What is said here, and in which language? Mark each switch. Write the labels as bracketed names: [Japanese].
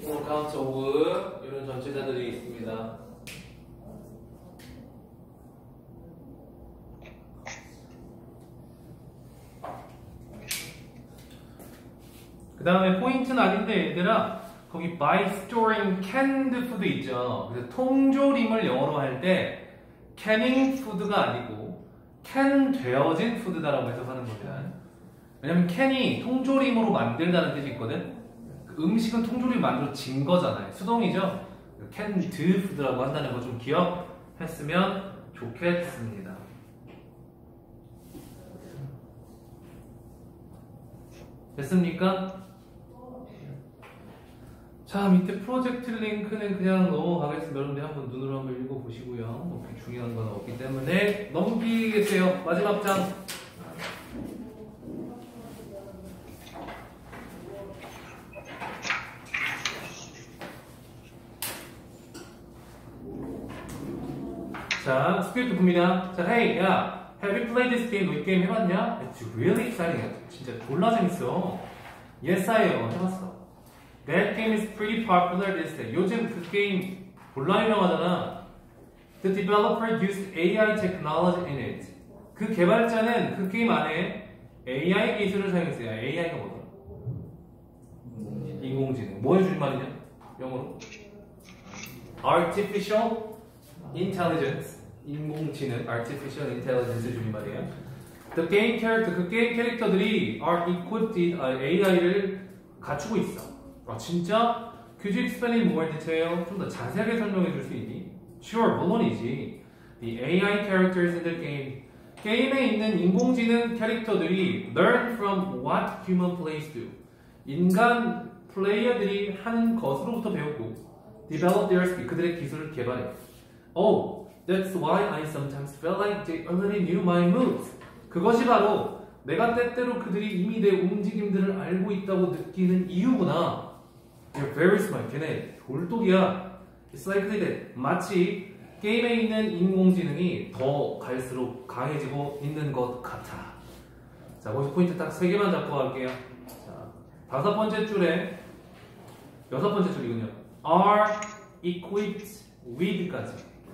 [Korean] 카운트 오브 이런 전체자들이 있습니다. 그 다음에 포인트는 아닌데 얘들아 거기 [English] by storing canned food [Korean] 있죠. 그래서 통조림을 영어로 할 때 canning food가 아니고 캔 되어진 푸드다라고 해서 하는 거죠. 왜냐면 캔이 통조림으로 만들다는 뜻이 있거든. 그 음식은 통조림 만들어진 거잖아요. 수동이죠. 캔드 푸드라고 한다는 거 좀 기억했으면 좋겠습니다. 됐습니까? 자, 밑에 프로젝트 링크는 그냥 넘어가겠습니다. 여러분들 한번 눈으로 한번 읽어보시고요. 뭐 중요한 건 없기 때문에 넘기겠어요. 마지막 장. 자, 스크립트 봅니다. [English] 자, hey, 야, have you played this game? [Korean] 이 게임 해봤냐? [English] It's really exciting. [Korean] 진짜 졸라 재밌어. [English] Yes, I have. [Korean] 해봤어. [English] That game is pretty popular these days. [Korean] 요즘 그 게임 몰라 유명하잖아. [English] The developer used AI technology in it. [Korean] 그 개발자는 그 게임 안에 AI 기술을 사용했어요. AI가 뭐죠? 인공지능. 뭐 해줄 말이냐? 영어로? [English] Artificial intelligence. [Korean] 인공지능. [English] Artificial intelligence [Korean] 줄 말이야. [English] The game character. [Korean] 그 게임 캐릭터들이 [English] are equipped in [Korean] AI를 갖추고 있어. 아 진짜? [English] Could you explain in more detail? [Korean] 좀 더 자세하게 설명해 줄 수 있니? [English] Sure, [Korean] 물론이지. [English] The AI characters in the game. [Korean] 게임에 있는 인공지능 캐릭터들이 [English] learn from what human plays do. [Korean] 인간 플레이어들이 하는 것으로부터 배웠고 [English] develop their skill, [Korean] 그들의 기술을 개발해. [English] Oh, that's why I sometimes felt like they already knew my moves. [Korean] 그것이 바로 내가 때때로 그들이 이미 내 움직임들을 알고 있다고 느끼는 이유구나. [English] You're very smart. [Korean] 걔네 돌독이야. [English] It's like that. [Korean] 마치 게임에 있는 인공지능이 더 갈수록 강해지고 있는 것 같아. 자, 거기서 포인트 딱 세 개만 잡고 갈게요. 자, 다섯 번째 줄에 여섯 번째 줄이군요. [English] Are equipped with까지.